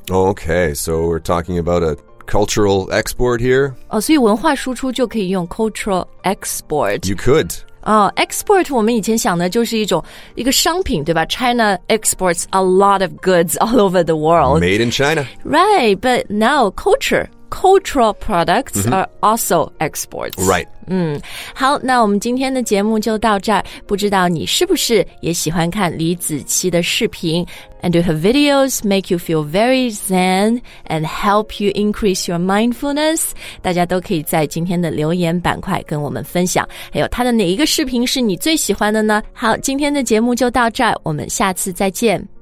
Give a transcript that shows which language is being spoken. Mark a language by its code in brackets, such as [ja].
[en] Okay, so we're talking about a cultural export here. [zh] 哦，所以文化输出就可以用 cultural export. [en] You could. [zh] Export 我们以前想的就是一个商品，对吧？ [en] China exports a lot of goods all over the world. Made in China. Right, but now cultural products、mm-hmm. are also exports. Right. [zh] 好，那我们今天的节目就到这儿。不知道你是不是也喜欢看李子柒的视频？ [en] And do her videos make you feel very zen and help you increase your mindfulness? [zh] 大家都可以在今天的留言板块跟我们分享，还有她的哪一个视频是你最喜欢的呢？好，今天的节目就到这儿，我们下次再见。